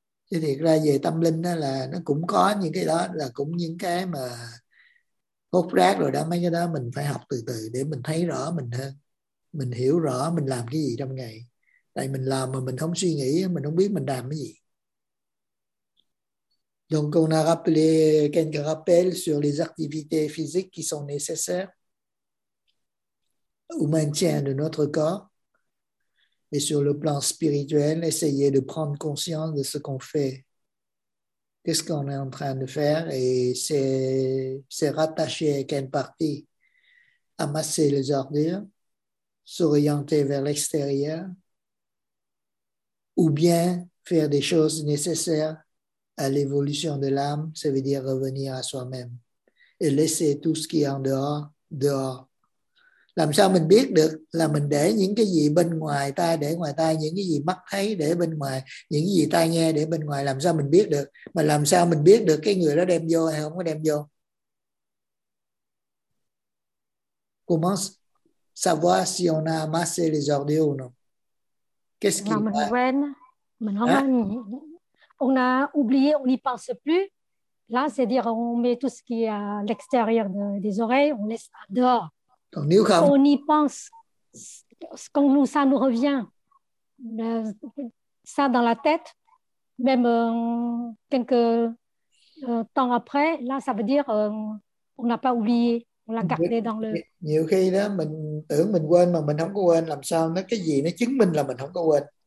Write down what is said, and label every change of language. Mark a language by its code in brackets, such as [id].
[vi] Chứ thiệt ra về tâm linh á, là nó cũng có những cái đó, là cũng những cái mà hốt rác rồi đó, mấy cái đó mình phải học từ từ để mình thấy rõ mình hơn. Mình hiểu rõ mình làm cái gì trong ngày. Tại mình làm mà mình không suy nghĩ, mình không biết mình làm cái gì. [fr] Donc on a rappelé quelques rappels sur les activités physiques qui sont nécessaires au maintien de notre corps et sur le plan spirituel, essayer de prendre conscience de ce qu'on fait, qu'est-ce qu'on est en train de faire et c'est rattaché à quelle partie, amasser les ordures, s'orienter vers l'extérieur ou bien faire des choses nécessaires à l'évolution de l'âme, ça veut dire revenir à soi-même et laisser tout ce qui est en dehors, dehors. [vi] Làm sao mình biết được là mình để những cái gì bên ngoài tai, để ngoài tai, những cái gì mắt thấy để bên ngoài, những cái gì tai nghe để bên ngoài, làm sao mình biết được? Mà làm sao mình biết được cái người đó đem vô hay không có đem vô? [fr] Comment savoir si on a amassé les ordures ou non? Qu'est-ce qu'il y a? [vi] Mình không quen. [fr] On a oublié, on n'y pense plus. Là, c'est-à-dire, on met tout ce qui est à l'extérieur des oreilles, on laisse ça dehors. Donc, nous, quand... On y pense, quand nous, ça nous revient, ça dans la tête, même quelques temps après, là, ça veut dire On l'a pas oublié, on l'a gardé dans le. [vi] Nhiều khi đó mình tưởng mình quên mà mình không có quên, làm sao nó cái gì nó chứng minh là mình không có quên.